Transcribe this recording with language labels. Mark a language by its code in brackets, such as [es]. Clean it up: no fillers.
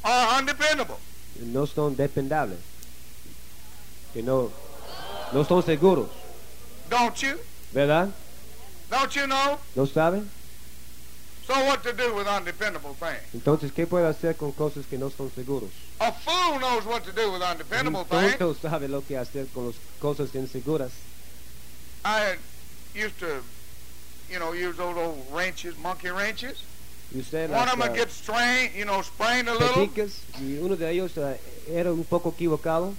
[en] are undependable, [es] no son dependables, que no son seguros, [en] don't you, [es] verdad? [en] Don't you know? [es] ¿No sabe? [en] So what to do with undependable things? [es] Entonces, ¿qué puede hacer con cosas que no son seguros? [en] A fool knows what to do with undependable things. [es] Un tonto [en] things. [es] Sabe lo que hacer con las cosas inseguras. [en] I used to, you know, use those old ranches, monkey ranches. You said one of them get strained, you know, sprained a peticas, little. [es] Y uno de ellos era un poco equivocado.